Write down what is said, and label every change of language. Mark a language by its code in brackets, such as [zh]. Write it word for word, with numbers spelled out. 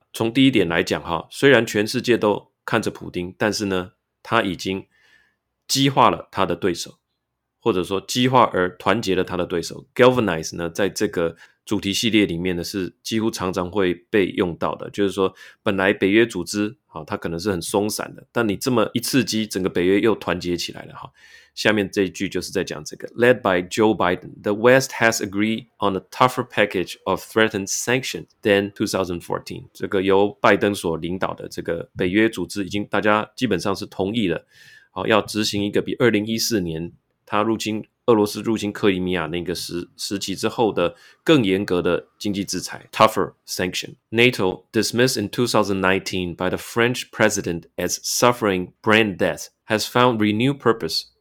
[zh] 从第一点来讲哈，虽然全世界都看着普丁，但是呢，他已经激化了他的对手，或者说激化而团结了他的对手。 Galvanize 呢，在这个主题系列里面呢，是几乎常常会被用到的。就是说，本来北约组织啊，它可能是很松散的，但你这么一刺激，整个北约又团结起来了哈。下面这一句就是在讲这个 [en] Led by Joe Biden, the West has agreed on a tougher package of threatened sanctions than twenty fourteen. [zh] 这个由拜登所领导的这个北约组织已经大家基本上是同意了，好，要执行一个比二零一四年他入侵俄罗斯入侵克里米亚那个 时, 时期之后的更严格的经济制裁 [en] tougher sanction. NATO dismissed in twenty nineteen by the French president as suffering brand death has found renewed purpose.